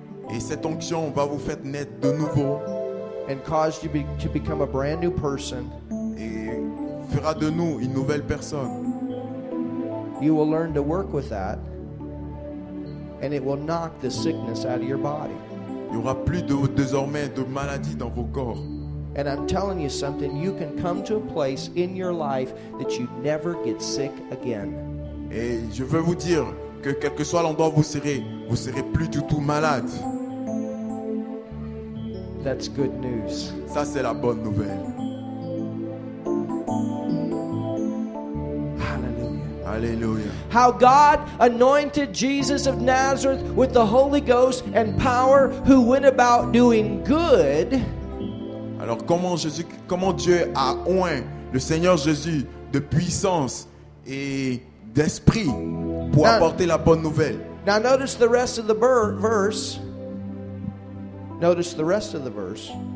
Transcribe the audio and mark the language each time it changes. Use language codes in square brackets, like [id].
[fr] et cette onction va vous faire naître de nouveau, [en] and caused you to become a brand new person, [fr] et fera de nous une nouvelle personne. [en] You will learn to work with that, and it will knock the sickness out of your body. [fr] Il y aura plus désormais de maladies dans vos corps. [en] And I'm telling you something, you can come to a place in your life that you never get sick again. [fr] Et je veux vous dire que quel que soit l'endroit où vous serez plus du tout malade. [en] That's good news. [fr] Ça, c'est la bonne nouvelle. [en] Hallelujah. [fr] Hallelujah. [en] How God anointed Jesus of Nazareth with the Holy Ghost and power, who went about doing good. [fr] Alors comment Dieu a oint le Seigneur Jésus de puissance et d'esprit pour apporter la bonne nouvelle. [en] Now notice the rest of the verse. Notice the rest of the verse.